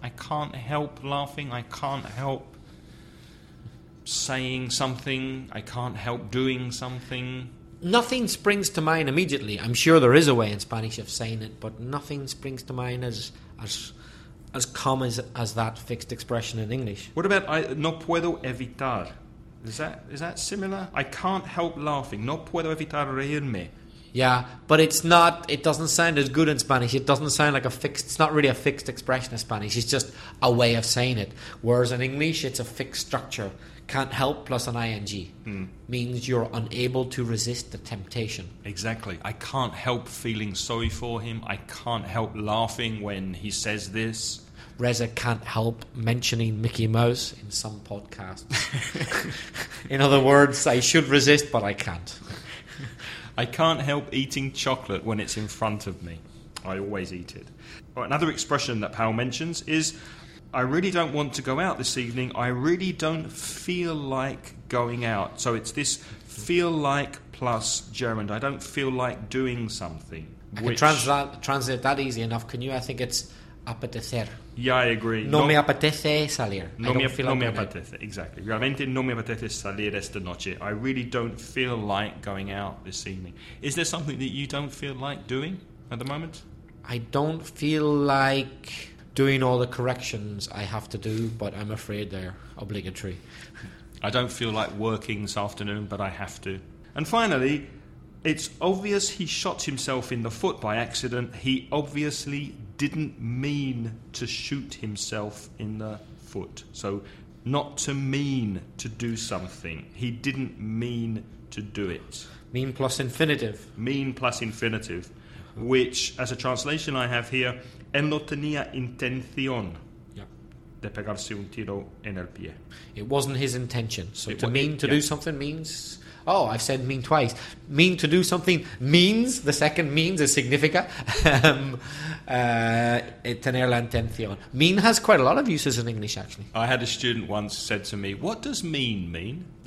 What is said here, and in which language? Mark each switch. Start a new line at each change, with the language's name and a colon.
English: I can't help laughing. I can't help saying something. I can't help doing something. Nothing springs to mind immediately. I'm sure there is a way in Spanish of saying it, but nothing springs to mind as common as that fixed expression in English. What about
Spanish: no puedo evitar?
English: Is that similar? I can't help laughing.
Spanish: No puedo evitar reírme.
English: Yeah, but it's not. It doesn't sound as good in Spanish. It doesn't sound like a fixed. It's not really a fixed expression in Spanish. It's just a way of saying it. Whereas in English, it's a fixed structure. Can't help plus an ing means you're unable to resist the temptation. Exactly. I can't help feeling sorry for him. I can't help laughing when he says this. Reza can't help mentioning Mickey Mouse in some podcast. In other words, I should resist, but I can't. I can't help eating chocolate when it's in front of me. I always eat it. Another expression that Powell mentions is, I really don't want to go out this evening. I really don't feel like going out. So it's this feel like plus gerund. I don't feel like doing something. I can translate that easy enough. Can you? I think it's apetecer. Yeah, I agree.
Spanish: No me apetece salir. No me apetece. Exactly. Realmente no me apetece salir esta noche.
English: I really don't feel like going out this evening. Is there something that you don't feel like doing at the moment? I don't feel like doing all the corrections I have to do, but I'm afraid they're obligatory. I don't feel like working this afternoon, but I have to. And finally, it's obvious he shot himself in the foot by accident. He obviously didn't mean to shoot himself in the foot. So, not to mean to do something. He didn't mean to do it. Mean plus infinitive. Mean plus infinitive. Which, as a translation I have here,
Spanish: él no tenía intención de pegarse un tiro en el pie.
English: It wasn't his intention. So, to do something means... Oh, I've said mean twice. Mean to do something means, the second means is significa.
Spanish: Tener la intención.
English: Mean has quite a lot of uses in English, actually. I had a student once said to me, what does mean mean?